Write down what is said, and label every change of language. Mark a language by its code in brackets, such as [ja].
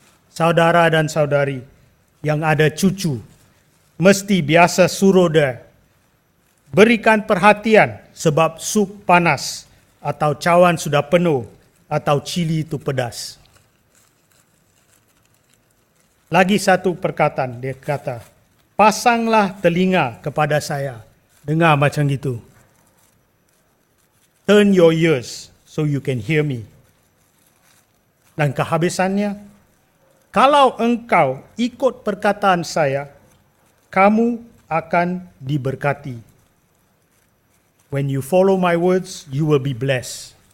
[ms] Saudara dan saudari yang ada cucu, mesti biasa suruh dia berikan perhatian sebab sup panas atau cawan sudah penuh atau cili itu pedas. Lagi satu perkataan dia kata, pasanglah telinga kepada saya. Dengar macam gitu. [en] Turn your ears so you can hear me. [ms] Dan kehabisannya, kalau engkau ikut perkataan saya, kamu akan diberkati. [en] When you follow my words, you will be blessed.